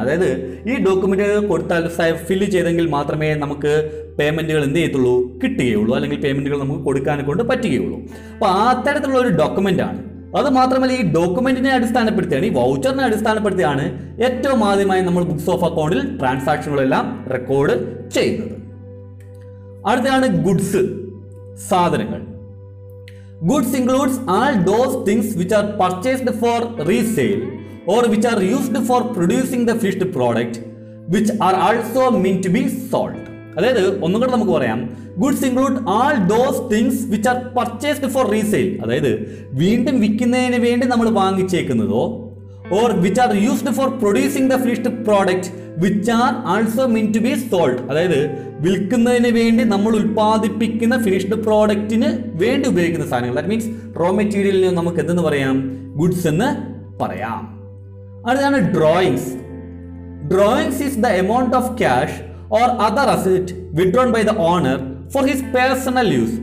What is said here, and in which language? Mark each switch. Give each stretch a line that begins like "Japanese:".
Malayalam: അതായത് ഈ ഡോക്യുമെന്റ് കൊടുത്താൽ ഫില്ല് ചെയ്തെങ്കിൽ മാത്രമേ നമുക്ക് പേയ്മെന്റുകൾ എന്ത് ചെയ്യത്തുള്ളൂ, കിട്ടുകയുള്ളൂ, അല്ലെങ്കിൽ പേയ്മെന്റുകൾ നമുക്ക് കൊടുക്കാനെ കൊണ്ട് പറ്റുകയുള്ളൂ. അപ്പൊ ആ തരത്തിലുള്ള ഒരു ഡോക്യുമെന്റ് ആണ്. അത് മാത്രമല്ല, ഈ ഡോക്യുമെന്റിനെ അടിസ്ഥാനപ്പെടുത്തിയാണ്, ഈ വൗച്ചറിനെ അടിസ്ഥാനപ്പെടുത്തിയാണ് ഏറ്റവും ആദ്യമായി നമ്മൾ ബുക്സ് ഓഫ് അക്കൗണ്ടിൽ ട്രാൻസാക്ഷനുകളെല്ലാം റെക്കോർഡ് ചെയ്യുന്നത്. അടുത്തതാണ് ഗുഡ്സ്, സാധനങ്ങൾ.
English: Goods includes all those things which are purchased for resale or which are used for producing the finished product which are also meant to be sold.
Malayalam: അതായത് ഒന്നുകൂടെ നമുക്ക് പറയാം,
English: Goods include all those things which are purchased for resale.
Malayalam: അതായത് വീണ്ടും വിൽക്കുന്നതിന് വേണ്ടി നമ്മൾ വാങ്ങിച്ചേക്കുന്നതോ
English: or which are used for producing the finished product which are also meant to be sold.
Malayalam: അതായത് വിൽക്കുന്നതിന് വേണ്ടി നമ്മൾ ഉൽപ്പാദിപ്പിക്കുന്ന ഫിനിഷ്ഡ് പ്രോഡക്റ്റിന് വേണ്ടി ഉപയോഗിക്കുന്ന സാധനങ്ങൾ,
English: that means
Malayalam: റോ മെറ്റീരിയലിന് നമുക്ക് എന്തെന്ന് പറയാം, ഗുഡ്സ് എന്ന് പറയാം. അടുത്താണ് drawings.
English: Drawings is the amount of cash or other asset withdrawn by the owner for his personal use.